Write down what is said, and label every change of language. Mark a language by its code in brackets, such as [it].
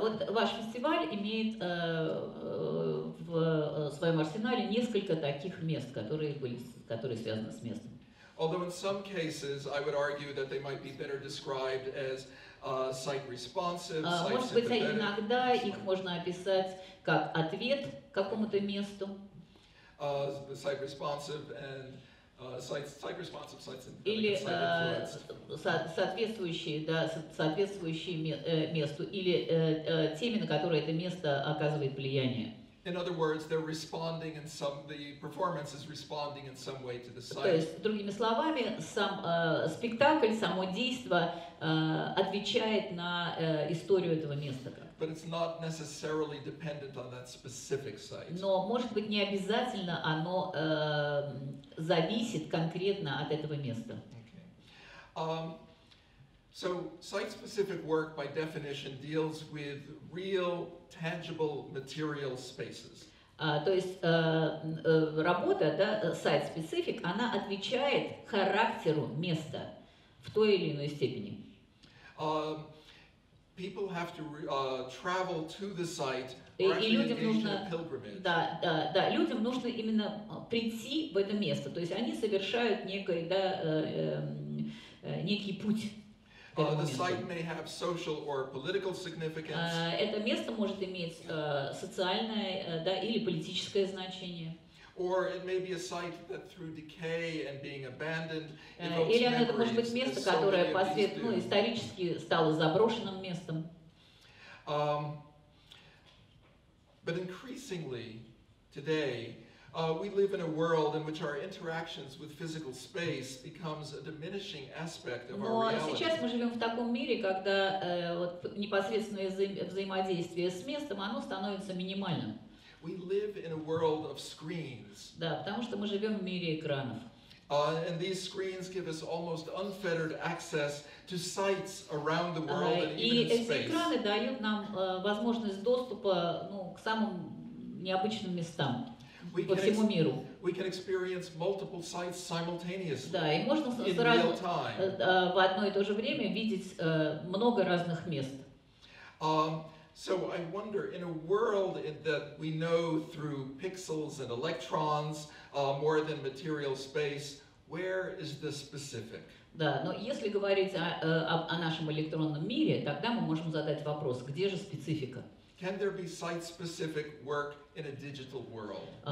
[ru] Вот ваш фестиваль имеет в своем арсенале несколько таких мест, которые связаны с местом. [en] Although in some cases I would argue that they might be better described as site-responsive, site-sympathetic. [ru] Может быть, иногда их можно описать как ответ какому-то месту. [en] Site-responsive and site-responsive, site-sympathetic. [ru] Или соответствующие месту, или теми, на которые это место оказывает влияние. [en] In other words, they're responding in some. The performance is responding in some way to the site. [ru] То есть, другими словами, сам спектакль, само действие отвечает на историю этого места. [en] But it's not necessarily dependent on that specific site. [ru] Но может быть не обязательно оно зависит конкретно от этого места. [en] So site-specific work, by definition, deals with real, tangible, material spaces. [ru] То есть работа, да, site-specific, она отвечает характеру места в той или иной степени. [en] People have to travel to the site, or engage in a pilgrimage. [ru] Да, людям нужно именно прийти в это место. То есть они совершают некий путь. [en] The site may have social or political significance. [ru] Это место может иметь социальное, да, или политическое значение. [en] Or it may be a site that through decay and being abandoned evokes memories. [ru] Или это может быть место, которое исторически стало заброшенным местом. [en] But increasingly today, we live in a world in which our interactions with physical space becomes a diminishing aspect of our reality. [ru] Но сейчас мы живем в таком мире, когда непосредственное взаимодействие с местом оно становится минимальным. [en] We live in a world of screens. [ru] Да, потому что мы живем в мире экранов. [en] And these screens give us almost unfettered access to sites around the world and even in space. [ru] И эти экраны дают нам возможность доступа, ну, к самым необычным местам. По всему миру. [en] We can experience multiple sites simultaneously. [ru] Да, и можно сразу в одно и то же время видеть много разных мест. [en] So I wonder, in a world that we know through pixels and electrons more than material space, where is the specific? [ru] Да, но если говорить о нашем электронном мире, тогда мы можем задать вопрос, где же специфика? [en] Can there be site-specific work in a digital world?